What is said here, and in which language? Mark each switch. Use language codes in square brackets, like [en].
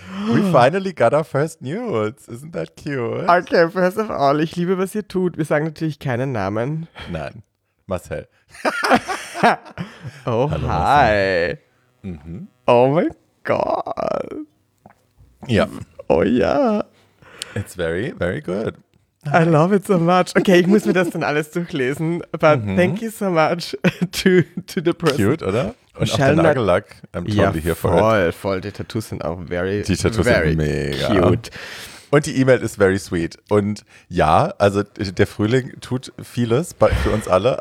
[en] We finally got our first nudes. Isn't that cute? Okay, first of all, [de] ich liebe, was ihr tut. Wir sagen natürlich keinen Namen. Nein, Marcel. Oh, hallo, hi. Mhm. Oh mein Gott. Ja. Oh ja. [en] It's very, very good. I love it so much. [de] Okay, ich muss mir das dann alles durchlesen. [en] But mm-hmm. Thank you so much to the person. [de] Cute, oder? Und auch der Nagellack. [en] I'm totally here for it. [de] Voll. Die Tattoos sind auch [en] very, very cute. [de] Die Tattoos sind mega cute. Und die E-Mail ist [en] very sweet. [de] Und ja, also der Frühling tut vieles für uns alle.